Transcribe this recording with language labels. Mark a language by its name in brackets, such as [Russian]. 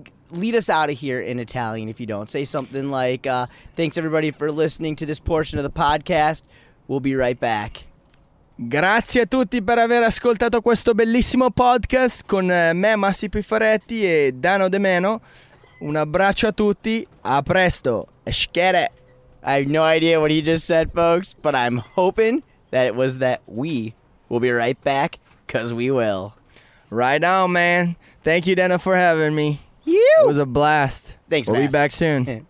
[English] Lead us out of here in Italian, if you don't. Say something like, thanks everybody for listening to this portion of the podcast. We'll be right back. [Italian] Grazie a tutti per aver ascoltato questo bellissimo podcast con me, Massi Piffaretti, e Dano De Meno. Un abbraccio a tutti. A presto. Eschere. [English] I have no idea what he just said, folks, but I'm hoping that it was that we will be right back, because we will. Right on, man. Thank you, Dana, for having me. Yew. It was a blast. Thanks, man. We'll be back soon.